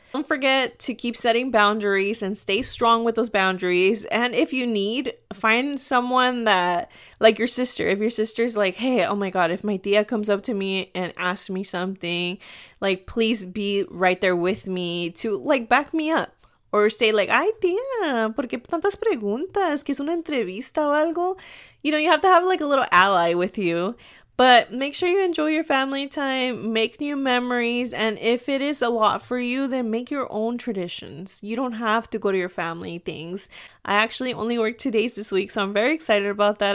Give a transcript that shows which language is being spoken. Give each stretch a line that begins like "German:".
English: Don't forget to keep setting boundaries and stay strong with those boundaries. And if you need, find someone that, like your sister, if your sister's like, hey, oh my God, if my tia comes up to me and asks me something, like, please be right there with me to, like, back me up.
Spanish: Or say like, ay, tía, ¿por qué tantas preguntas? ¿Que es una entrevista o algo?
English: You know, you have to have like a little ally with you. But make sure you enjoy your family time, make new memories. And if it is a lot for you, then make your own traditions. You don't have to go to your family things. I actually only worked 2 days this week, so I'm very excited about that.